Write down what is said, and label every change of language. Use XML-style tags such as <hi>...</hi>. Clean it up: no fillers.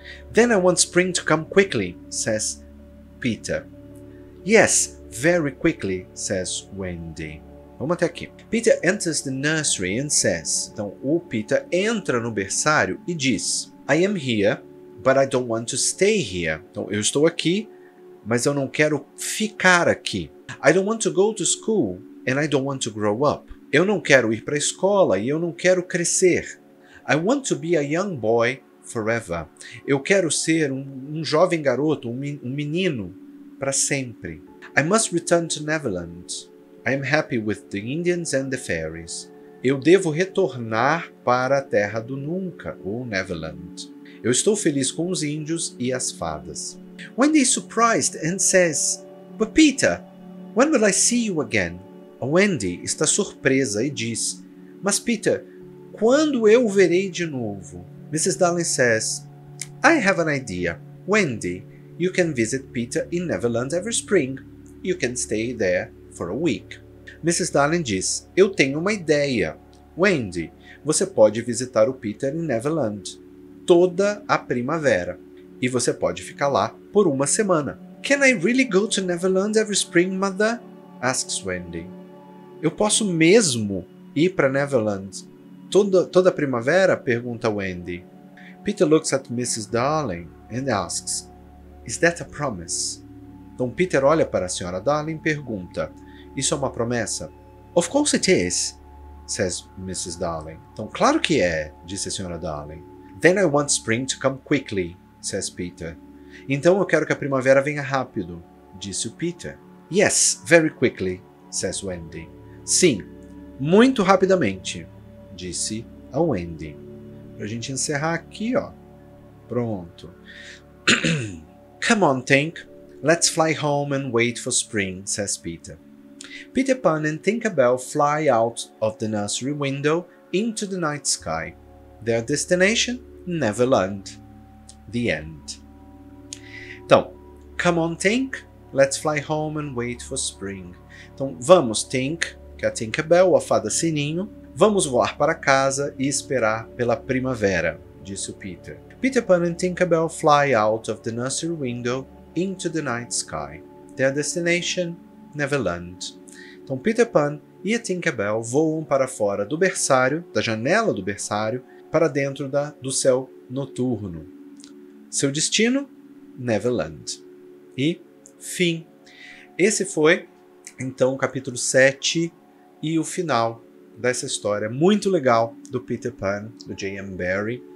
<en>Then I want spring to come quickly, says Peter. Yes, very quickly, says Wendy.</en> <pt>Vamos até aqui.</pt> <en>Peter enters the nursery and says,</en> <pt>então o Peter entra no berçário e diz,</pt> <en>I am here, but I don't want to stay here.</en> <pt>Então eu estou aqui, mas eu não quero ficar aqui.</pt> <en>I don't want to go to school and I don't want to grow up.</en> <pt>Eu não quero ir para a escola e eu não quero crescer.</pt> <en>I want to be a young boy forever.</en> <pt>Eu quero ser um jovem garoto, um menino, para sempre.</pt> <en>I must return to Neverland. I am happy with the Indians and the fairies.</en> <pt>Eu devo retornar para a terra do Nunca, ou Neverland. Eu estou feliz com os índios e as fadas.</pt> <en>Wendy is surprised and says, "But Peter, when will I see you again?"</en> <pt>Wendy está surpresa e diz, "Mas Peter, quando eu o verei de novo?"</pt> <en>Mrs. Darling says, "I have an idea. Wendy, you can visit Peter in Neverland every spring. You can stay there for a week." Mrs. Darling</en> <pt>diz, "Eu tenho uma ideia. Wendy, você pode visitar o Peter em Neverland toda a primavera. E você pode ficar lá por uma semana."</pt> <en>"Can I really go to Neverland every spring, Mother?" asks Wendy.</en> <pt>"Eu posso mesmo ir para Neverland toda a primavera?" pergunta Wendy.</pt> <en>Peter looks at Mrs. Darling and asks, "Is that a promise?"</en> <pt>Então Peter olha para a senhora Darling e pergunta, "Isso é uma promessa?"</pt> <en>"Of course it is," says Mrs. Darling.</en> <pt>"Então claro que é," disse a senhora Darling.</pt> <en>"Then I want spring to come quickly," says Peter.</en> <pt>"Então eu quero que a primavera venha rápido," disse o Peter.</pt> <en>"Yes, very quickly," says Wendy.</en> <pt>"Sim, muito rapidamente," disse a Wendy. Pra gente encerrar aqui, ó. Pronto.</pt> <en>"Come on, Tink. Let's fly home and wait for spring," says Peter. Peter Pan and Tinkerbell fly out of the nursery window into the night sky. Their destination? Neverland. The end. Então, "Come on, Tink. Let's fly home and wait for spring."</en> <pt>Então, vamos, Tink, que é a Tinkerbell, a fada sininho. "Vamos voar para casa e esperar pela primavera," disse o Peter.</pt> <en>Peter Pan and Tinkerbell fly out of the nursery window into the night sky. Their destination? Neverland.</en> <pt>Então, Peter Pan e a Tinkerbell voam para fora do berçário, da janela do berçário, para dentro do céu noturno. Seu destino? Neverland. E fim. Esse foi, então, o capítulo 7 e o final dessa história muito legal do Peter Pan, do J.M. Barrie.</pt>